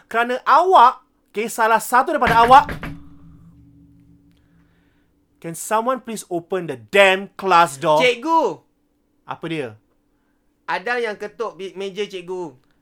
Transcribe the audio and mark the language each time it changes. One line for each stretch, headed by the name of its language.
Malay: Kerana awak, okay, salah satu daripada awak...
English: Can someone please open the damn class door?
Malay: Cikgu! Apa dia? Adam yang ketuk meja cikgu.